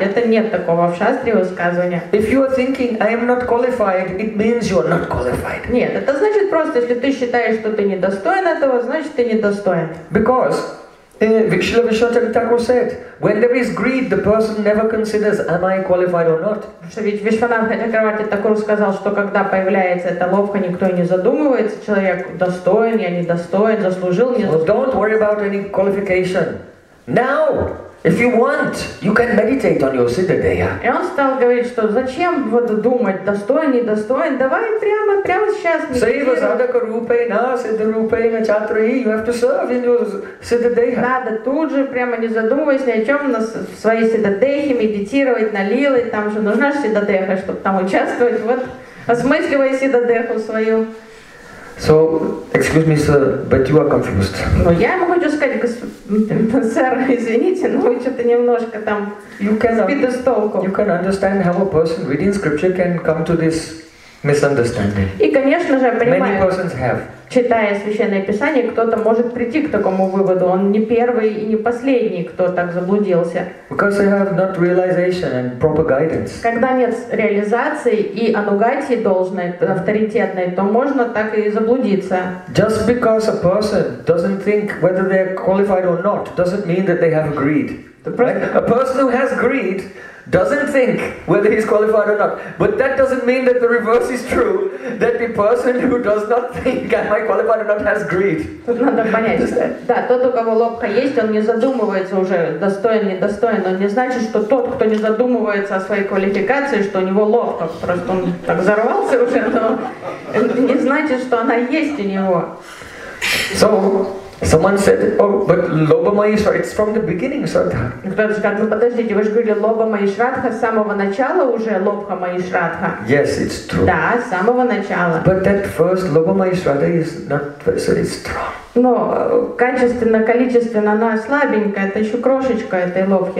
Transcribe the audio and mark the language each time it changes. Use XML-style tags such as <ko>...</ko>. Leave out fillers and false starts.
<ru>Это нет такого в Шастре высказывания.</ru> <en>If you are thinking, I am not qualified, it means you are not qualified.</en> <ru>Нет, это значит просто, если ты считаешь, что ты недостоин этого, значит ты недостоин.</ru> <en>Because Шрила Вишванатх Такур said, when there is greed, the person never considers, am I qualified or not?</en> <ru>Ведь Вишванатх Чакраварти Такур сказал, что когда появляется эта ловка, никто не задумывается, человек достоин, я не достоин, заслужил, не заслужил.</ru> <en>Don't worry about any qualification. Now, if you want, you can meditate on your siddhadeya.</en> <ru>И он стал говорить, что зачем вот думать, достоин, не достоин, давай прямо, прямо сейчас.</ru> <sa>Сейва садака рупейна, сиддха рупейна чатрахи,</sa> <en>you have to serve in your siddhadeya.</en> <ru>Надо тут же, прямо не задумываясь ни о чем, в своей siddhadehi медитировать, на лилы, там же нужна же siddhadeha, чтобы там участвовать, вот, осмысливая siddhadehu свою.</ru> <en>So, excuse me, sir, but you are confused.</en> <ru>Но я ему хочу сказать, сэр, извините, но вы что-то немножко там сбиты с толку.</ru> <en>You can understand how a person reading scripture can come to this misunderstanding.</en> <ru>И, конечно же, я понимаю,</ru> <en>many persons have.</en> <ru>Читая Священное Писание, кто-то может прийти к такому выводу. Он не первый и не последний, кто так заблудился.</ru> <en>Because they have not realization and proper guidance.</en> <ru>Когда нет реализации и анугати должной, авторитетной, то можно так и заблудиться.</ru> <en>Just because a person doesn't think whether they're qualified or not doesn't mean that they have greed. A person who has greed doesn't think whether he's qualified or not. But that doesn't mean that the reverse is true, that the person who does not think, am I qualified or not, has greed.</en> <ru>Надо понять. Да, тот, у кого лобка есть, он не задумывается уже, достоин, недостоин. Но не значит, что тот, кто не задумывается о своей квалификации, что у него лобка. Просто он так взорвался уже, но не значит, что она есть у него.</ru> <en>So, someone said, oh, but Lobha Mohi Shraddha, it's from the beginning, Shraddha.</en> <ru>Кто-то сказал, ну подождите, вы же говорили, Лобха Мохи Шраддха, с самого начала уже Лобха Мохи Шраддха.</ru> <en>Yes, it's true.</en> <ru>Да, с самого начала.</ru> <en>But that first Лобха Мохи Шраддха is not very strong.</en> <ru>Но качественно, количественно она слабенькая, это еще крошечка этой лобхи.</ru>